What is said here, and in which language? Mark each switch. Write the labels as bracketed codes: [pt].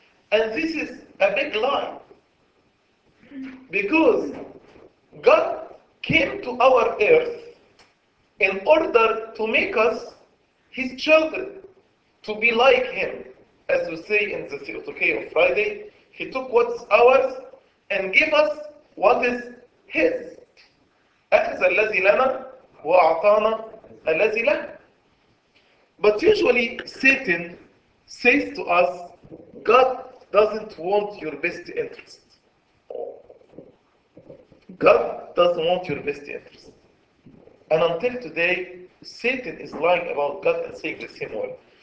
[en] And this is a big lie. Because God came to our earth in order to make us His children, to be like Him. As we say in the Theotokay of Friday, He took what's ours and gave us what is His. [ar] أخذ الذي لنا وأعطانا الذي له. [en] But usually Satan says to us, God doesn't want your best interest. God doesn't want your best interest. And until today, Satan is lying about God and saying the same word.